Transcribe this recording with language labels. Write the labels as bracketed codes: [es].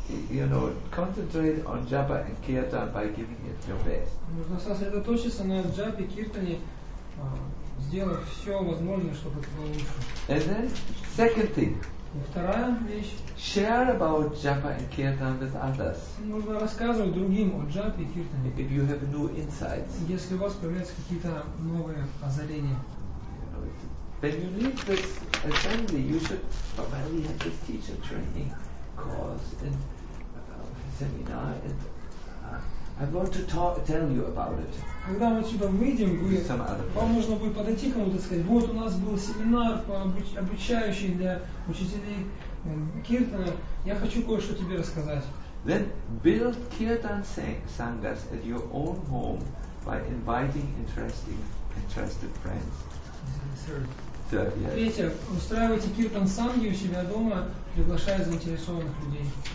[en] you know, concentrate on japa and kirtan by giving it your best. [ru] Нужно сосредоточиться на джапе, киртане, сделать все возможное, чтобы это было лучше. [en] And then, second thing. [ru] Вторая вещь. [en] Share about japa and kirtan with others. [ru] Нужно рассказывать другим о джапе и киртане. [en] If you have new insights. [ru] Если у вас появляются какие-то новые озарения. [en] When you leave this assembly, you should probably have this teacher training course and seminar. And I want to tell you about it. [ru] Когда мы отсюда выйдем, вам нужно будет подойти к кому-то и сказать: вот у нас был семинар обучающий для учителей киртана. Я хочу кое-что тебе рассказать. [en] Then build kirtan sanghas at your own home by inviting interested friends. [ru] Третье. Устраивайте киртан санги у себя дома, приглашая заинтересованных людей.